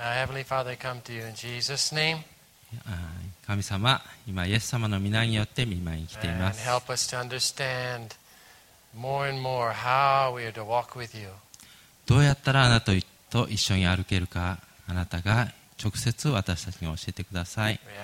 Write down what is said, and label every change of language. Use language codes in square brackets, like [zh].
[en] Heavenly Father, I come to you in Jesus' name. [ja] 神様、今、イエス様の御名によって御前に来ています。 [en] And help us to understand more and more how we are to walk with you. [ja] どうやったらあなたと一緒に歩けるか、あなたが直接私たちに教えてください。